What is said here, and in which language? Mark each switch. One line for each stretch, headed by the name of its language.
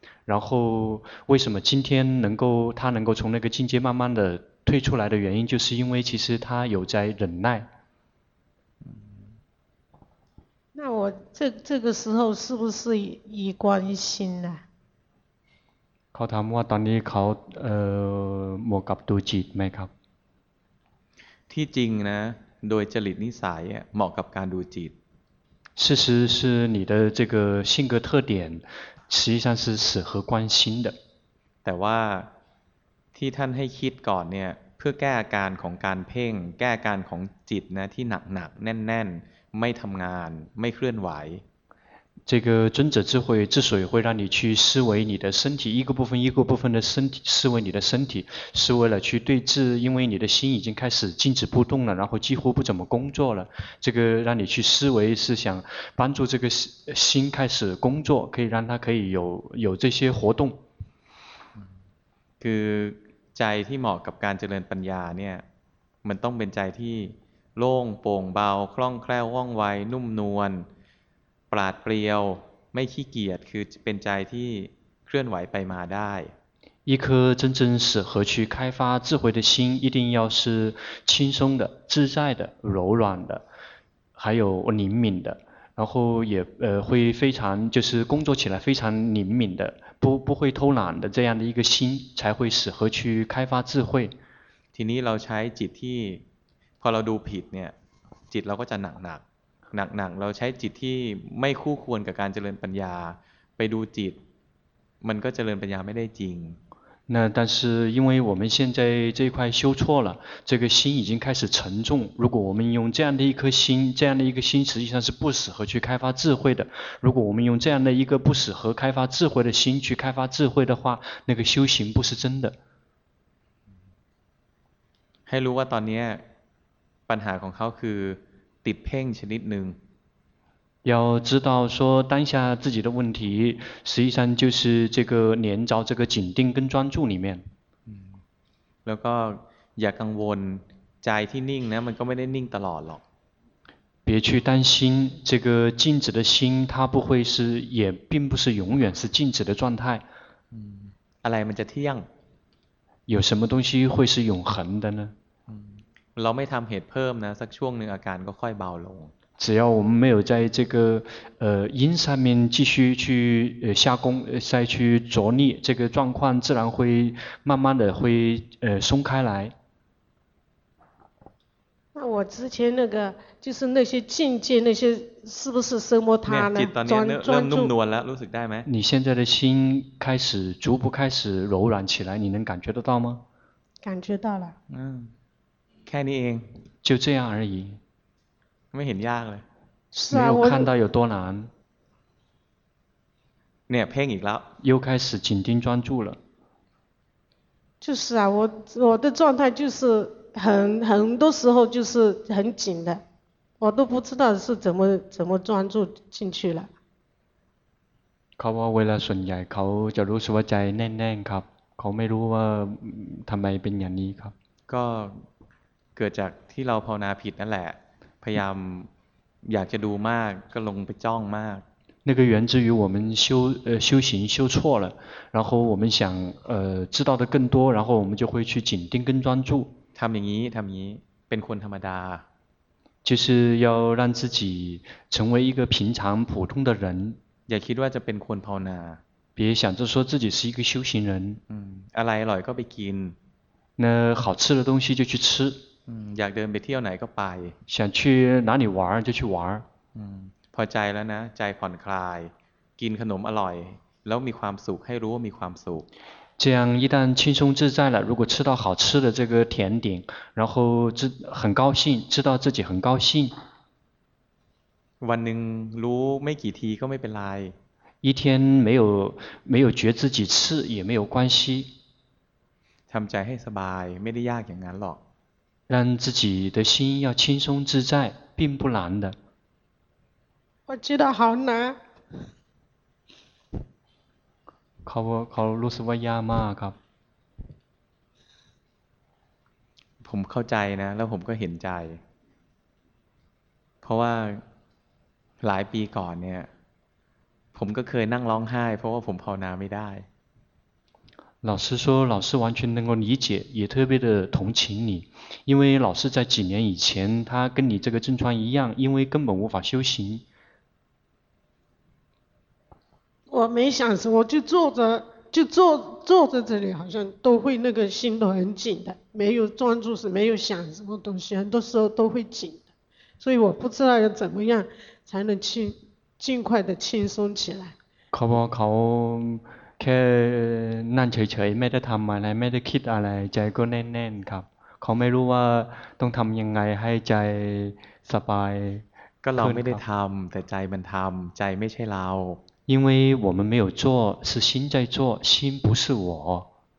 Chinese: 然后为什么今天他能够从那个境界慢慢的退出来的原因，就是因为其实他有在忍耐。那我这个时候是不是以关心呢？
Thai: เขาถามว่าตอนนี้เขาหมกกับตัวจิตไหมครับ ที่จริงนะโดยจริตนิสัยเหมาะกับการดูจิต
Chinese: 事实是你的这个性格特点实际上是适合关心的
Thai: แต่ว่าที่ท่านให้คิดก่อนเนี่ยเพื่อแก้อาการของการเพ่งแก้อาการของจิตนะที่หนักหนักแน่นๆไม่ทำงานไม่เคลื่อนไหว
Chinese: 这个尊者智慧之所以会让你去思维你的身体一个部分一个部分的身体思维你的身体是为了去对治因为你的心已经开始静止不动了然后几乎不怎么工作了这个让你去思维是想帮助这个心开始工作可以让它可以有这些活动
Thai: คือใจที่เหมาะกับการเจริญปัญญาเนี่ยมันต้องเป็นใจที่โล่งโปร่งเบาคล่องแคล่วว่องไวนุ่มนวลปราดเปรียวไม่ขี้เกียจคือเป็นใจที่เคลื่อนไหวไปมาได้
Chinese: 一颗真正适合去开发智慧的心一定要是轻松的自在的柔软的还有灵敏的然后也会非常就是工作起来非常灵敏的不会偷懒的这样的一个心才会适合去开发智慧
Thai: ทีนี้เราใช้จิตที่พอเราดูผิดเนี่ยจิตเราก็จะหนักเราใช้จิตที่ไม่คู่ควรกับการเจริญปัญญาไปดูจิตมันก็เจริญปัญญาไม่ได้จริง
Chinese: 那但是因为我们现在这一块修错了这个心已经开始沉重如果我们用这样的一颗心这样的一个心实际上是不适合去开发智慧的如果我们用这样的一个不适合开发智慧的心去开发智慧的话那个修行不是真的
Thai: ให้รู้ว่าตอนนี้ปัญหาของเขาคือติดเพ่งชนิดหนึ่ง
Chinese: 要知道说当下自己的问题实际上就是这个连着这个紧盯跟专注里面
Thai: แล้วก็อย่ากังวลใจที่นิ่งนะมันก็ไม่ได้นิ่งตลอดหรอก
Chinese: 别去担心这个静止的心它不会是也并不是永远是静止的状态
Thai: อะไรมันจะเที่ยง
Chinese: 有什么东西会是永恒的呢
Thai: เราไม่ทำเหตุเพิ่มนะสักช่วงหนึ่งอาการก็ค่อยเบาลง
Chinese: 只要我们没有在这个因上面继续去下功再去着力这个状况自然会慢慢的会松开来那我之前那个就是那些境界那些是不是生摸它呢专注
Thai: 了รู้สึกได้ไหม
Chinese: 你现在的心开始逐步开始柔软起来你能感觉得到吗感觉到了
Thai: แค่นี้เอง
Chinese: 就这样而已
Thai: ไม่เห็นยากเลย
Chinese: 没有看到有多难
Thai: เนี่ยเพ่งอีกแล้ว
Chinese: 又开始紧盯专注了就是啊我的状态就是很多时候就是很紧的我都不知道是怎么专注进去了
Thai: เขาว่าเวลาส่วนใหญ่เขาจะรู้สึกว่าใจแน่นๆครับเขาไม่รู้ว่าทำไมเป็นอย่างนี้ครับ ก็เกิดจากที่เราภาวนาผิดนั่นแหละพยายามอยากจะดูมากก็ลงไปจ้องมาก
Chinese: 那个源自于我们修行修错了然后我们想知道的更多然后我们就会去紧盯跟专注
Thai: ทำอย่างนี้เป็นคนธรรมดา
Chinese: 就是要让自己成为一个平常普通的人
Thai: อย่าคิดว่าจะเป็นคนภาวนา
Chinese: 别想着说自己是一个修行人
Thai: อะไรอร่อยก็ไปกิน
Chinese: 那好吃的东西就去吃
Thai: อยากเดินไปเที่ยวไหนก็ไป
Chinese: 想去哪里玩就去玩
Thai: พอใจแล้วนะใจผ่อนคลายกินขนมอร่อยแล้วมีความสุขให้รู้ว่ามีความสุข
Chinese: 这样一旦轻松自在了，如果吃到好吃的这个甜点，然后很高兴，知道自己很高兴。
Thai: วันหนึ่งรู้ไม่กี่ทีก็ไม่เป็นไร。
Chinese: 一天没有觉知几次也没有关系。
Thai: ทำใจให้สบายไม่ได้ยากอย่างนั้นหรอก。
Chinese: 让自己的心要轻松自在，并不难的。我知道好难。
Thai: เขารู้สึกว่ายากมากครับ ผมเข้าใจนะแล้วผมก็เห็นใจเพราะว่าหลายปีก่อนเนี่ยผมก็เคยนั่งร้องไห้เพราะว่าผมภาวนาไม่ได้
Chinese: 老师说老师完全能够理解也特别的同情你因为老师在几年以前他跟你这个症状一样因为根本无法修行我没想什么，我就坐着，就坐着这里，好像都会那个心都很紧的，没有专注是没有想什么东西，很多时候都会紧的，所以我不知道要怎么样才能尽快的轻松起来。
Thai: เขาบอกเขาแค่นั่งเฉยๆไม่ได้ทำอะไรไม่ได้คิดอะไรใจก็แน่นๆครับเขาไม่รู้ว่าต้องทำยังไงให้ใจสบาย ก็เราไม่ได้ทำแต่ใจมันทำใจไม่ใช่เรา
Chinese: 因为我们没有做，是心在做，心不是我。